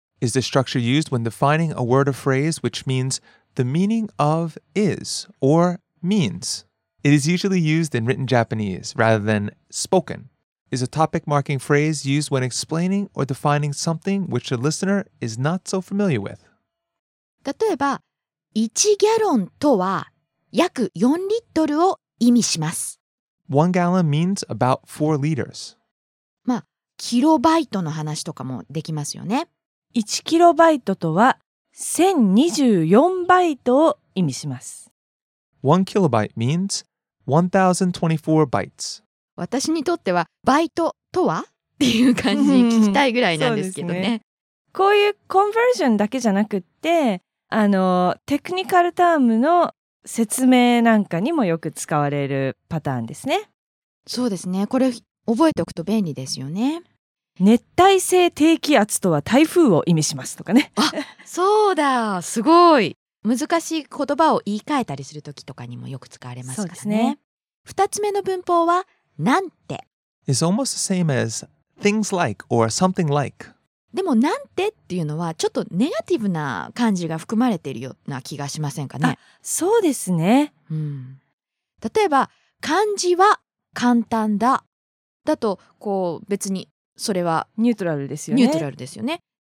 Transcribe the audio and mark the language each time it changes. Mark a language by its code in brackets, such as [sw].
[en] Is the structure used when defining a word or phrase which means the meaning of is or means. It is usually used in written Japanese rather than spoken. Is a topic marking phrase used when explaining or defining something which the listener is not so familiar with. [ja] 例えば、1ギャロンとは約4リットルを意味します。 [en] 1 gallon means about 4 liters. [ja] まあ、キロバイトの話とかもできますよね。 1キロバイトとは1024バイトを意味します。 [en] 1 kilobyte means 1024 bytes. [ja] 私にとってはバイトとはっていう感じに聞きたいぐらいなんですけど ね。こういうコンバージョンだけじゃなくって、テクニカルタームの説明なんかにもよく使われるパターンですね。そうですね。これ覚えておくと便利ですよね。熱帯性低気圧とは台風を意味しますとかね。あ、そうだ、すごい。難しい言葉を言い換えたりするときとかにもよく使われますからね。そうですね。二つ目の文法は、なんて。 [en] It's almost the same as things like or something like. [ja] でも、なんてっていうのは、ちょっとネガティブな感じが含まれているような気がしませんかね。あ、そうですね。うん。例えば、漢字は簡単だ。だと、こう、別に、それはニュートラルですよね。ニュートラルですよね。